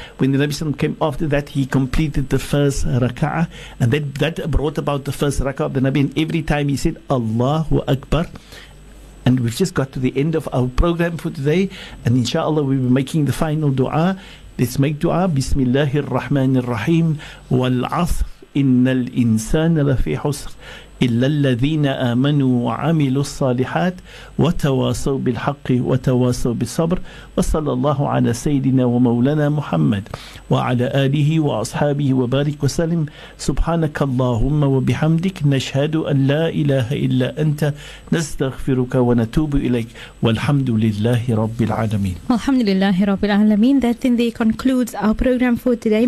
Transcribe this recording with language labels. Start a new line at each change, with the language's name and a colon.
English: When the Nabi sallallahu alayhi wa sallam came after that, he completed the first raka'ah, and that brought about the first raka'ah of the Nabi, and every time he said Allahu Akbar. And we've just got to the end of our program for today, and inshallah we'll be making the final dua. Let's make dua. Bismillahir Rahmanir Rahim. Wal Asr.
Arabic: إن الإنسان لفي حسر إلا الذين آمنوا وعملوا الصالحات وتواصوا بالحق وتواصوا بالصبر وصلى الله على سيدنا ومولانا محمد وعلى آله وأصحابه وبارك وسلم سبحانك اللهم وبحمدك نشهد أن لا إله إلا أنت نستغفرك ونتوب إليك والحمد لله رب العالمين الحمد لله رب العالمين.
English: That then they concludes our program for today.